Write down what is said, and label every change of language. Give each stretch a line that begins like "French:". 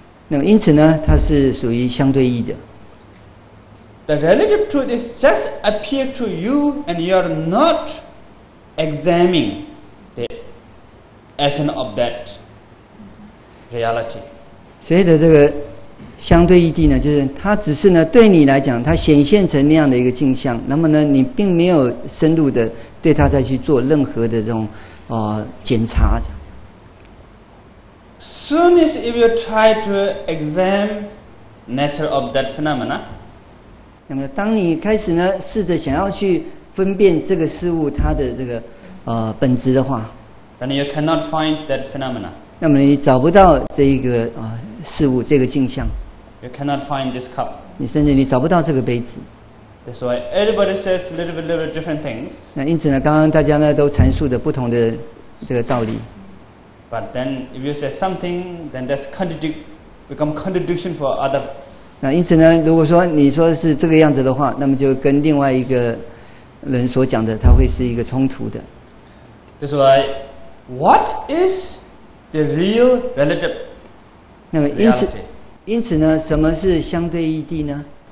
Chinese: 那么因此呢，它是属于相对义的。
English: The relative truth is just appear to you, and you are not examining the essence of that reality.
Chinese: 所以的这个相对义谛呢，就是它只是呢对你来讲，它显现成那样的一个镜像。那么呢，你并没有深入的对它再去做任何的这种检查。
English: Soon as if you try to examine nature of that phenomena.
Chinese: 那么，当你开始呢，试着想要去分辨这个事物它的这个本质的话
English: ，then you cannot find that phenomena。
Chinese: 那么你找不到这一个事物这个镜像。
English: You cannot find this cup。
Chinese: 你甚至你找不到这个杯子。
English: That's why everybody says little bit different things。
Chinese: 那因此呢，刚刚大家呢都阐述的不同的这个道理。
English: But then if you say something, then that's become contradiction for other。
Chinese: 那因此呢，如果说你说是这个样子的话，那么就跟另外一个人所讲的，它会是一个冲突的。
English: That's why What is the real relative?
Chinese: 那么因此呢，什么是相对义谛呢